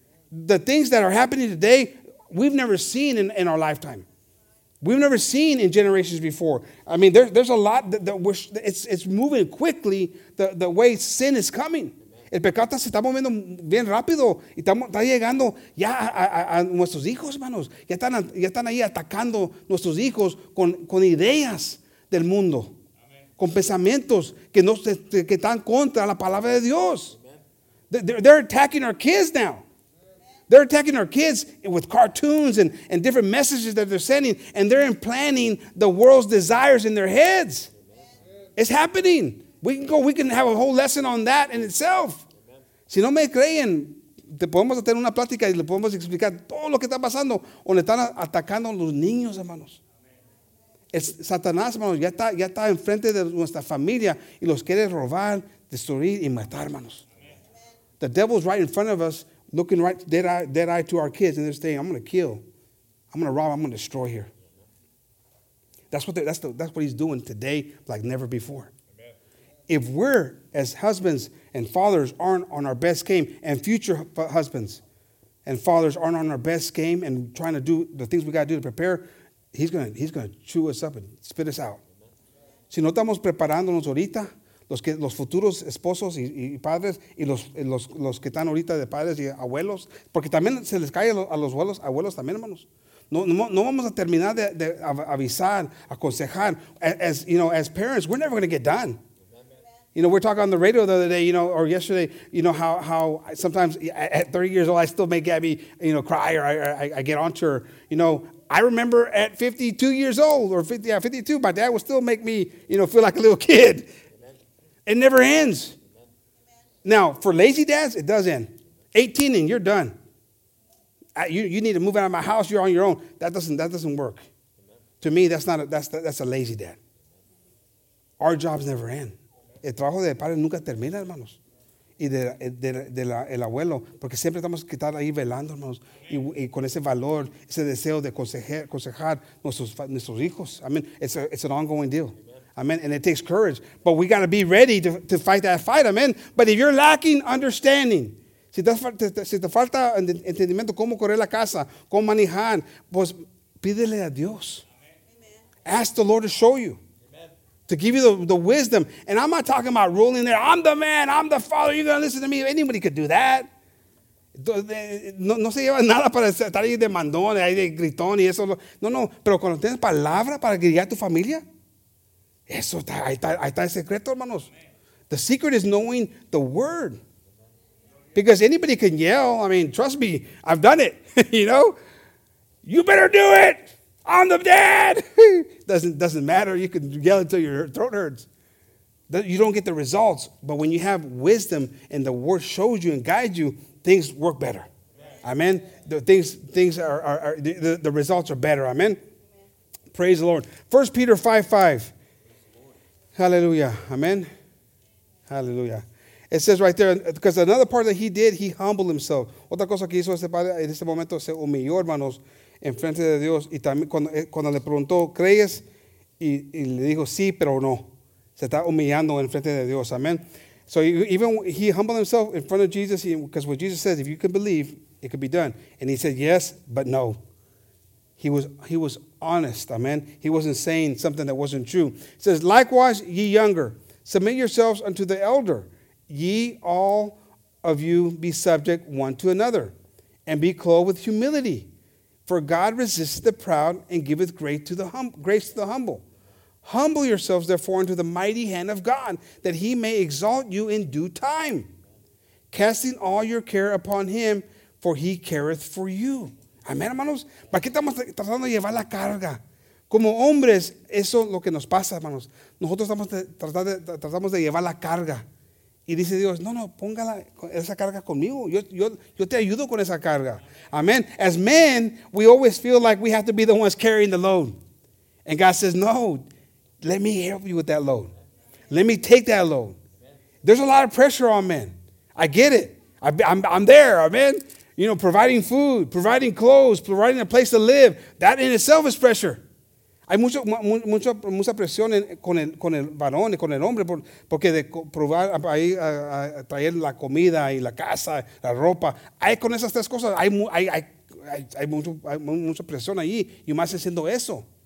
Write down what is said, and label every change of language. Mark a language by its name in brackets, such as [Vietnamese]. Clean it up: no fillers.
[English] The things that are happening today, we've never seen in our lifetime. We've never seen in generations before. I mean, there's a lot it's moving quickly the way sin is coming. [Spanish] El pecado se está moviendo bien rápido. Y está llegando ya a nuestros hijos, hermanos. Ya están ahí atacando nuestros hijos con ideas del mundo. Amen. Con pensamientos que están contra la palabra de Dios. [English] They're attacking our kids now. Amen. They're attacking our kids with cartoons and different messages that they're sending. And they're implanting the world's desires in their heads. Amen. It's happening. We can have a whole lesson on that in itself. [Spanish] Amen. Si no me creen, te podemos tener una plática y le podemos explicar todo lo que está pasando o le están atacando a los niños, hermanos. Amen. Satanás, hermanos, ya está enfrente de nuestra familia y los quiere robar, destruir y matar, hermanos. [English] Amen. The devil's right in front of us, looking right dead eye to our kids, and they're saying, I'm going to kill. I'm going to rob. I'm going to destroy here. That's what he's doing today like never before. If we're, as husbands and fathers, aren't on our best game, and future husbands and fathers aren't on our best game and trying to do the things we got to do to prepare, he's gonna chew us up and spit us out. [Spanish] Si no estamos preparándonos ahorita, los futuros esposos y padres y los que están ahorita de padres y abuelos, porque también se les cae a los abuelos también, hermanos. No vamos a terminar de avisar, aconsejar. [English] As you know, as parents, we're never going to get done. You know, we're talking on the radio the other day, you know, or yesterday, you know, how sometimes at 30 years old, I still make Gabby, you know, cry or I get onto her. You know, I remember at 52 years old or 52, my dad would still make me, you know, feel like a little kid. Amen. It never ends. Amen. Now, for lazy dads, it does end. 18 and you're done. You need to move out of my house. You're on your own. That doesn't work. Amen. To me, that's a lazy dad. Our jobs never end. [Spanish] El trabajo de padre nunca termina, hermanos. Y del abuelo. Porque siempre estamos que estar ahí velando, hermanos. Y con ese valor, ese deseo de aconsejar nuestros hijos. [English] I mean, it's an ongoing deal. Amen. And it takes courage. But we got to be ready to fight that fight. [Spanish] Amen. [English] But if you're lacking understanding, [Spanish] si te falta entendimiento, cómo correr la casa, cómo manejar, pues pídele a Dios. Amen. [English] Ask the Lord to show you. To give you the wisdom. And I'm not talking about ruling there. I'm the man. I'm the father. You're going to listen to me. Anybody could do that. [Spanish] No se lleva nada para estar ahí de mandón, ahí de gritón y eso. No, no. Pero cuando tienes palabra para guiar tu familia, eso está, ahí está el secreto, hermanos. [English] The secret is knowing the word. Because anybody can yell. I mean, trust me. I've done it. You know? You better do it. I'm the dad. doesn't matter. You can yell until your throat hurts. You don't get the results. But when you have wisdom and the word shows you and guides you, things work better. Amen. The results are better. Amen. Praise the Lord. 1 Peter 5:5. Hallelujah. Amen. Hallelujah. It says right there, because another part that he did, he humbled himself. [Spanish] Otra cosa que hizo este padre en este momento, se humilló, hermanos, en frente de Dios. Y también cuando le preguntó, ¿crees? Y le dijo, sí, pero no. Se está humillando en frente de Dios. Amen. [English] So even he humbled himself in front of Jesus, because what Jesus says, if you can believe, it could be done. And he said, yes, but no. He was honest. Amen. He wasn't saying something that wasn't true. It says, likewise, ye younger, submit yourselves unto the elder. Ye all of you be subject one to another, and be clothed with humility. For God resists the proud and giveth grace to the humble. Humble yourselves, therefore, unto the mighty hand of God, that he may exalt you in due time, casting all your care upon him, for he careth for you. [Spanish] Amén, hermanos. ¿Para qué estamos tratando de llevar la carga? Como hombres, eso es lo que nos pasa, hermanos. Nosotros estamos tratamos de llevar la carga. Y dice Dios, no, póngala esa carga conmigo. Yo te ayudo con esa carga. Amen. [English] As men, we always feel like we have to be the ones carrying the load. And God says, no, let me help you with that load. Let me take that load. There's a lot of pressure on men. I get it. I'm there, amen. You know, providing food, providing clothes, providing a place to live. That in itself is pressure. [Spanish] Hay mucha presión con el varón y con el hombre porque de probar ahí a traer la comida y la casa, la ropa. Hay con esas tres cosas, hay mucha presión ahí y más haciendo eso.